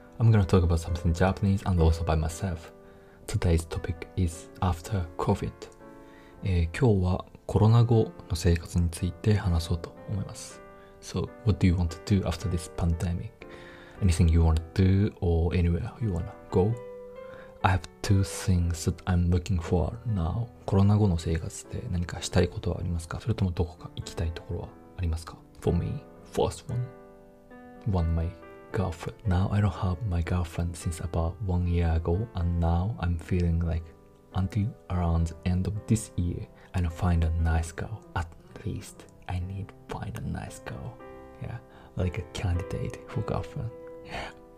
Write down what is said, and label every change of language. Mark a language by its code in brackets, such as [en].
[en] I'm gonna talk about something Japanese and also by myself. Today's topic is after COVID. [ja] 今日はコロナ後の生活について話そうと思います。 [en] So, what do you want to do after this pandemic? Anything you want to do or anywhere you wanna go? I have two things that I'm looking for now. [ja] コロナ後の生活で何かしたいことはありますか？それともどこか行きたいところはありますか？ [en] For me, first one. One my girlfriend. Now I don't have my girlfriend since about 1 year ago, and now I'm feeling like until around the end of this year, I don't find a nice girl. At least I need find a nice girl. Yeah, like a candidate for girlfriend. Yeah.